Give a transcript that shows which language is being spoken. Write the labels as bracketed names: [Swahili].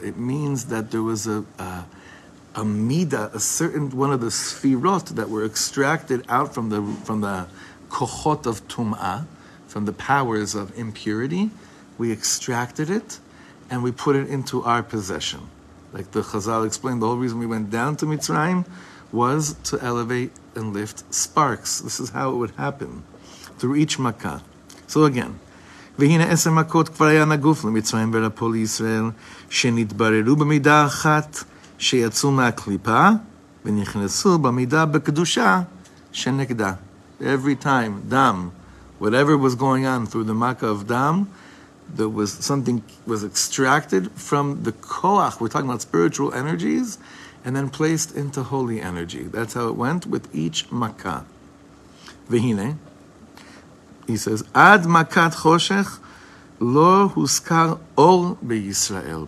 [English] It means that there was a midah, a certain one of the sfirot that were extracted out from the kohot of tum'ah, from the powers of impurity. We extracted it, and we put it into our possession. Like the Chazal explained, the whole reason we went down to Mitzrayim was to elevate and lift sparks. This is how it would happen, through each makkah. So again, [Hebrew] והנה עשר מכות כבר היה נגוף למצרים ורפו לישראל, שנתבררו במידה אחת שיצאו מהקליפה, ונכנסו במידה בקדושה שנגדה. [English] Every time, dam, whatever was going on through the maka of dam, there was something was extracted from the koach, we're talking about spiritual energies, and then placed into holy energy. That's how it went with each maka. והנה, he says, "Ad makat choshech lo huskar or beYisrael."